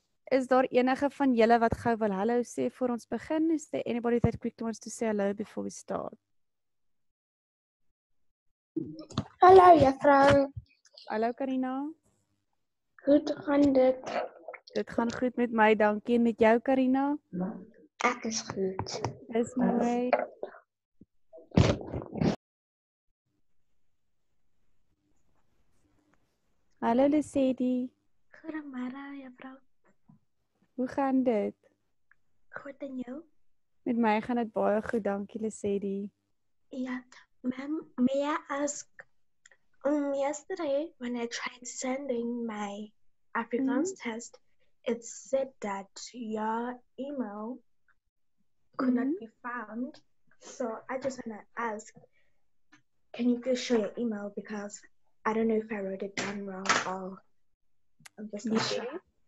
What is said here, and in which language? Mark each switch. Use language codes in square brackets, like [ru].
[af] Is daar enige van julle wat gou wil hallo sê voor ons begin? [en] Is there anybody that quickly wants to say hello before we start? [af] Hallo juffrou. Hallo Karina. Goed gaan dit? Dit gaan goed met my, dankie. En met jou Karina? Ek is goed. Is mooi. Hallo Lucedi. Goedemorgen, juffrouw. Hoe gaan dit? Goed en jou? Met mij gaan het baie goed, dankie Lucedi. [en] Ja, ma'am, may I ask, yesterday when I tried sending my Afrikaans test, it said that your email could not be found. So I just want to ask, can you please show your email because I don't know if I wrote it down wrong or I'm just not sure.